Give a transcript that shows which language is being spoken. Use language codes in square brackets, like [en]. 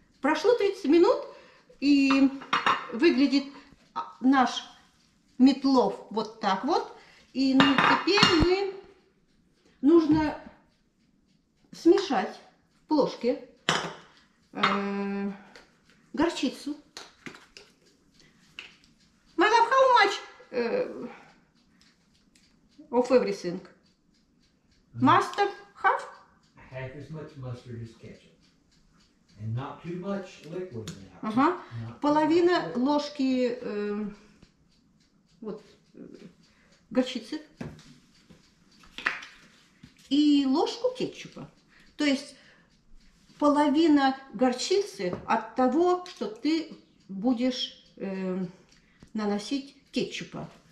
[ru] Прошло 30 минут, и выглядит наш Метлов вот так вот. И ну, теперь мы нужно смешать в плошке горчицу. [en] My love, how much of everything? Mustard, half? Half as much mustard as ketchup. And not too much liquid now. [ru] Половина ложки вот горчицы. И ложку кетчупа. То есть половина горчицы от того, что ты будешь наносить кетчупа.